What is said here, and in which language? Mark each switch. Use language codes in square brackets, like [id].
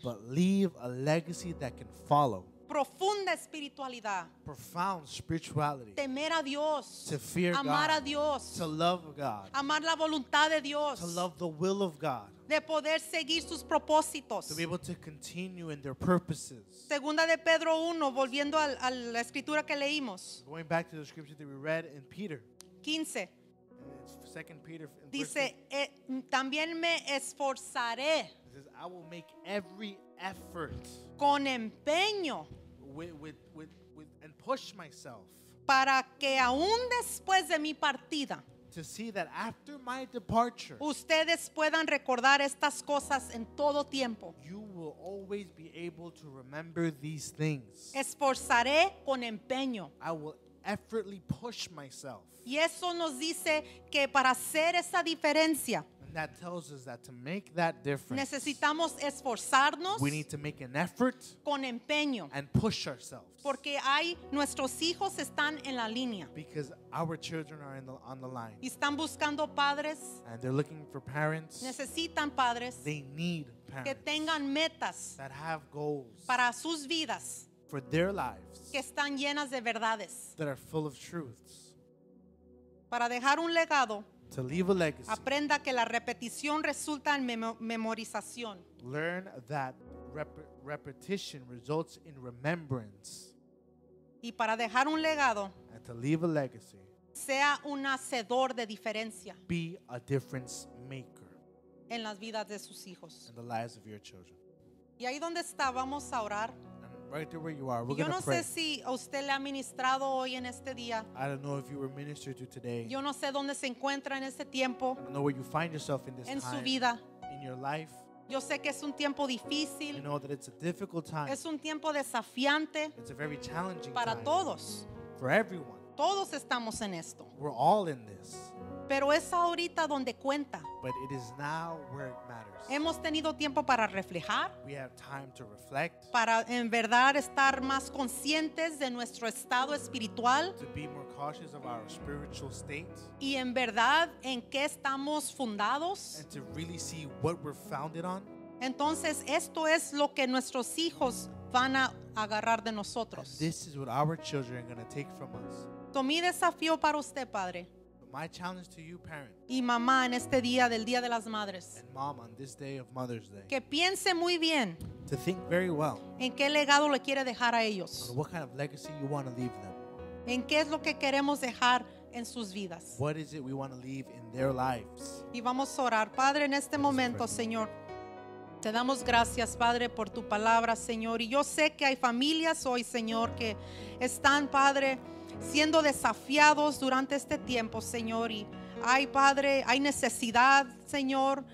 [en] but leave a legacy that can follow. [es] Profunda espiritualidad. [en] Profound spirituality. [es] Temer a Dios. [en] To fear God. [es] Amar a Dios. [en] To love God. [es] Amar la voluntad de Dios. [en] To love the will of God. [es] De poder seguir sus propósitos. [en] To be able to continue in their purposes. [es] Segunda de Pedro 1, volviendo a la escritura que leímos. [en] Going back to the scripture that we read in Peter. 15. Second Peter. [es] Dice, también me esforzaré. [en] It says, I will make every effort. [es] Con empeño. [en] With, and push myself. [es] Para que aún después de mi partida. [en] To see that after my departure. [es] Ustedes puedan recordar estas cosas en todo tiempo. [en] You will always be able to remember these things. [es] Esforzaré con empeño. [en] I will effortlessly push myself. [es] Y eso nos dice que para hacer esa diferencia. [en] That tells us that to make that difference, [es] necesitamos esforzarnos, [en] we need to make an effort, [es] con empeño, [en] and push ourselves, [es] porque hay nuestros hijos están en la línea, [en] because our children are in the, on the line, [es] y están buscando padres, [en] and they're looking for parents, [es] necesitan padres, [en] they need parents, [es] que tengan metas, [en] that have goals, [es] para sus vidas, [en] for their lives, [es] que están llenas de verdades, [en] that are full of truths, [es] para dejar un legado. [en] To leave a legacy. [es] Aprenda que la repetición resulta en memorización. [en] Learn that repetition results in remembrance. [es] Y para dejar un legado. [en] And to leave a legacy. [es] Sea un hacedor de diferencia. [en] Be a difference maker. [es] En las vidas de sus hijos. [en] In the lives of your children. [es] Y ahí donde está, vamos a orar. [en] Right there where you are, we're going to pray. [es] Yo no sé si usted le ha ministrado hoy en este día. [en] I don't know if you were ministered to today. [es] Yo no sé dónde se encuentra en este tiempo. [en] I don't know where you find yourself in this [es] en [en] time. [es] Su vida. [en] In your life. [es] Yo sé que es un tiempo difícil. [en] You know that it's a difficult time. [es] Es un tiempo desafiante. [en] It's a very challenging [es] para [en] time. [es] Todos. [en] For everyone. [es] Todos estamos en esto. [en] We're all in this. [es] Pero es ahorita donde cuenta. [en] But it is now where it matters. [es] Hemos tenido tiempo para reflejar. [en] We have time to reflect. [es] Para en verdad estar más conscientes de nuestro estado espiritual. [en] To be more cautious of our spiritual state. [es] Y en verdad en qué estamos fundados. [en] And to really see what we're founded on. [es] Entonces esto es lo que nuestros hijos van a agarrar de nosotros. [en] And this is what our children are going to take from us. [es] Tomé desafío para usted, padre. [en] My challenge to you, parent. [es] Y mamá en este día del Día de las Madres. [en] And mom on this day of Mother's Day. [es] Que piense muy bien. [en] To think very well. [es] En qué legado le quiere dejar a ellos. [en] What kind of legacy you want to leave them. [es] En qué es lo que queremos dejar en sus vidas. [en] What is it we want to leave in their lives. [es] Y vamos a orar. Padre, en este momento, Señor, te damos gracias, Padre, por tu palabra, Señor. Y yo sé que hay familias hoy, Señor, que están, Padre, siendo desafiados durante este tiempo, Señor. Y hay, Padre, hay necesidad, Señor.